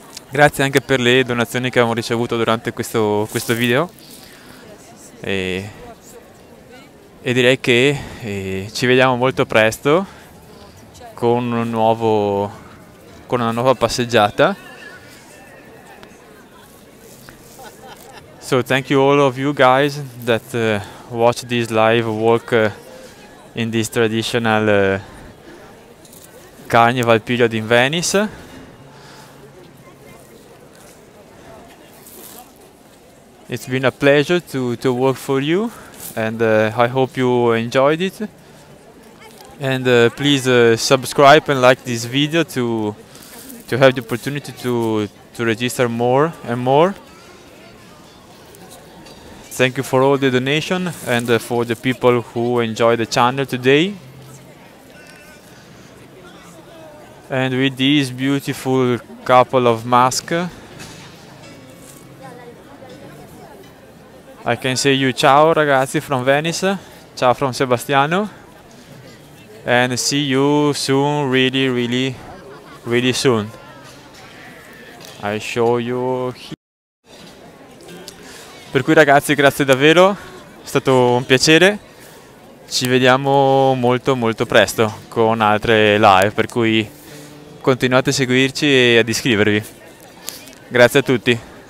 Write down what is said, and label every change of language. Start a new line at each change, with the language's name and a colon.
Italian: Grazie anche per le donazioni che abbiamo ricevuto durante questo video e direi che ci vediamo molto presto con una nuova passeggiata.
English: So thank you all of you guys that watch this live walk in this traditional carnival period in Venice. It's been a pleasure to work for you, and I hope you enjoyed it. And please subscribe and like this video to have the opportunity to register more and more. Thank you for all the donation and for the people who enjoy the channel today. And with this beautiful couple of masks, I can say you
Italian: ciao ragazzi
English: from Venice, ciao from Sebastiano, and see you soon, really, really, really soon. I show you here.
Italian: Per cui ragazzi, grazie davvero, è stato un piacere, ci vediamo molto molto presto con altre live, per cui continuate a seguirci e ad iscrivervi. Grazie a tutti.